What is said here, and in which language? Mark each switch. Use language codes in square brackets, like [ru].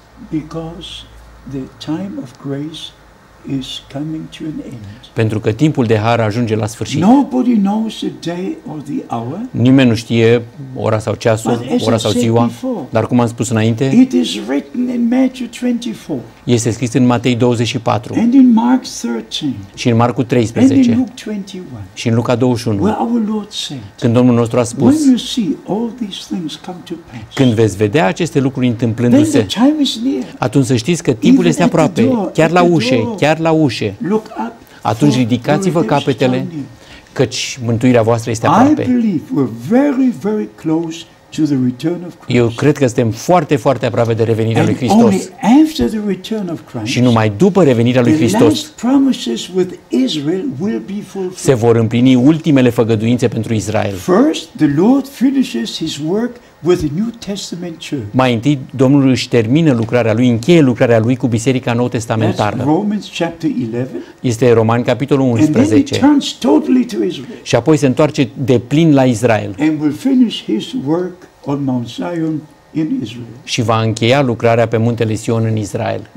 [en] Because the time of grace is coming to an end. [ro] Pentru că timpul de har ajunge la sfârșit. [en] Nobody knows the day or the hour. [ro] Nimeni nu știe ora sau ceasul, ora sau ziua. Dar cum am spus înainte, [en] it is written in Matthew 24. [ro] Este scris în Matei 24. [en] And in Mark 13. [ro] Și în Marcu 13. [en] And in Luke 21. [ro] Și în Luca 21. [en] Where our Lord said. [ro] Când Domnul nostru a spus. [en] When you see all these things come to pass. [ro] Când veți vedea aceste lucruri întâmplându-se. [en] Then the time is near. [ro] Atunci să știți că timpul este aproape, chiar la ușă. Chiar la ușe. [en] Look up. [ro] Atunci ridicați-vă capetele, căci mântuirea voastră este aproape. [en] I believe we're very, very close to the return of Christ. [ro] Eu cred că suntem foarte, foarte aproape de revenirea lui Hristos. [en] And only after the return of Christ. [ro] Și numai după revenirea lui Hristos. [en] The last promises with Israel will be fulfilled. [ro] Se vor împlini ultimele făgăduințe pentru Israel. [en] First, the Lord finishes his work with the New Testament church. [ro] Mai întâi, Domnul își termină lucrarea lui, încheie lucrarea lui cu biserica nou testamentară. [en] Romans chapter 11. [ro] Este Romani capitolul 11. [en] And then he turns totally to Israel. [ro] Și apoi se întoarce deplin la Israel. [en] And will finish his work on Mount Zion in Israel. [ro] Și va încheia lucrarea pe muntele Sion în Israel.